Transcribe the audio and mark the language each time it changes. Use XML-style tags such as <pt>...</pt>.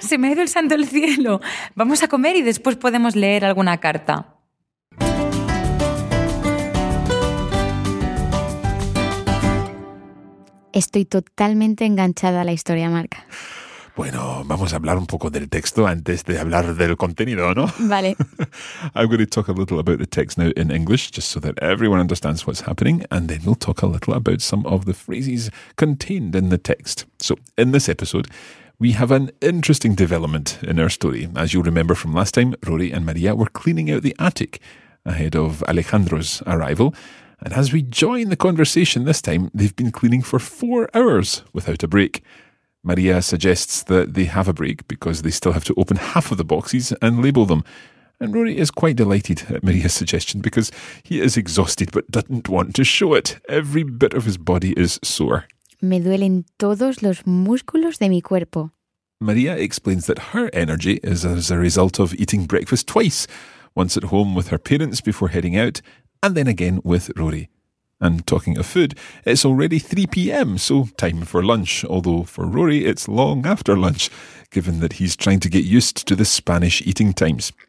<es>Se me ha ido el santo del cielo. Vamos a comer y después podemos leer alguna carta. Estoy totalmente enganchada a la historia, Marc. Bueno, vamos a hablar un poco del texto antes de hablar del contenido, ¿no? Vale.</es> <en>I'm going to talk a little about the text now in English, just so that everyone understands what's happening, and then we'll talk a little about some of the phrases contained in the text. So, in this episode, we have an interesting development in our story. As you'll remember from last time, Rory and Maria were cleaning out the attic ahead of Alejandro's arrival, and as we join the conversation this time, they've been cleaning for 4 hours without a break. Maria suggests that they have a break because they still have to open half of the boxes and label them. And Rory is quite delighted at Maria's suggestion because he is exhausted but doesn't want to show it. Every bit of his body is sore.</en> <es>Me duelen todos los músculos de mi cuerpo.</es> <en>Maria explains that her energy is as a result of eating breakfast twice, once at home with her parents before heading out, and then again with Rory. And talking of food, it's already 3 p.m, so time for lunch. Although for Rory, it's long after lunch, given that he's trying to get used to the Spanish eating times.</en>